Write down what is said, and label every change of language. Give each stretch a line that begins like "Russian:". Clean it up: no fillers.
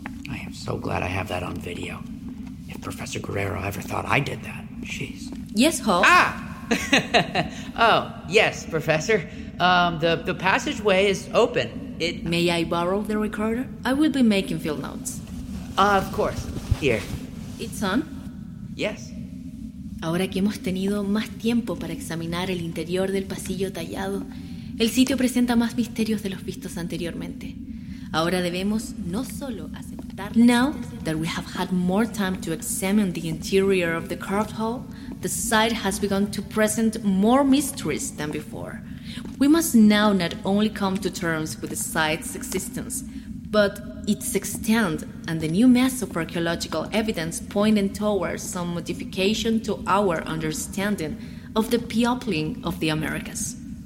English: I am so glad I have that on video. If Professor Guerrero ever thought I did that, jeez. Yes, Hall. Ah! Oh, yes, Professor. The passageway is open. May I borrow the recorder? I will be making field notes. Of course. Here. It's on? Yes.
Spanish: Ahora que hemos tenido más tiempo para examinar el interior del pasillo tallado, el sitio presenta más misterios de los vistos anteriormente. Ahora debemos no solo aceptar...
English: Now that we have had more time to examine the interior of the carved hall, the site has begun to present more mysteries than before. We must now not only come to terms with the site's existence, but its extent and the new mass of archaeological evidence pointing towards some modification to our understanding of the peopling of the Americas.